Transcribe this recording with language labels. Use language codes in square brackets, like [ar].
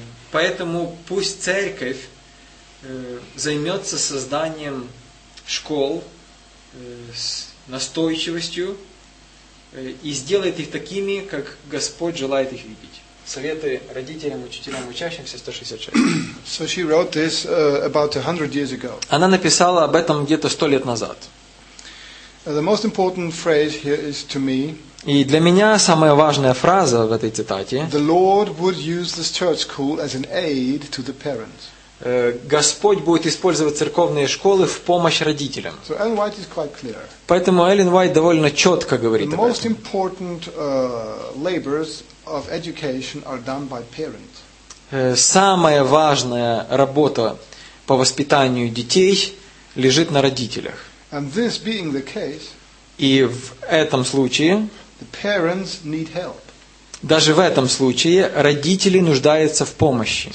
[ru] Поэтому пусть церковь займется созданием школ с настойчивостью и сделает их такими, как Господь желает их видеть. Советы родителям, учителям, учащимся, 166. [en] So she wrote this about 100 years ago. [ru] Она написала об этом где-то 100 лет назад. [en] The most important phrase here is to me. [ru] И для меня самая важная фраза в этой цитате. [en] The Lord would use this church school as an aid to the parents. [ru] Господь будет использовать церковные школы в помощь родителям. [en] So Ellen White is quite clear. [ru] Поэтому Эллен Уайт довольно четко говорит об этом. [en] The most important labors of education are done by parents. [ru] Самая важная работа по воспитанию детей лежит на родителях. [en] And this being the case, [ru] и в этом случае, [en] the parents need help. [ru] Даже в этом случае родители нуждаются в помощи.